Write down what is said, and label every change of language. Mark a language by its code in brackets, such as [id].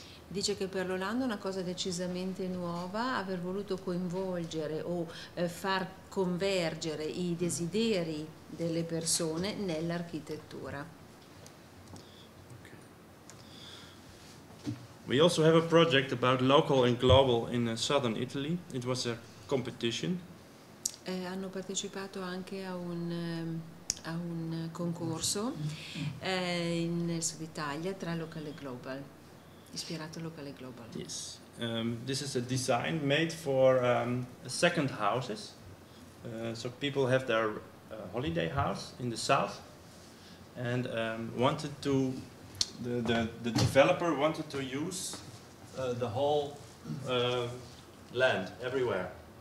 [it] Dice che per l'Olanda è una cosa decisamente nuova aver voluto coinvolgere o far convergere i desideri delle persone nell'architettura. [en] Okay. We also have a project about local and global in southern Italy. It was a competition. [it] Hanno partecipato anche a un concorso nel sud Italia tra locale e global, ispirato locale e global. [en] Yes, this is a design made for second houses, so people have their holiday house in the south, and wanted to the developer wanted to use the whole land everywhere.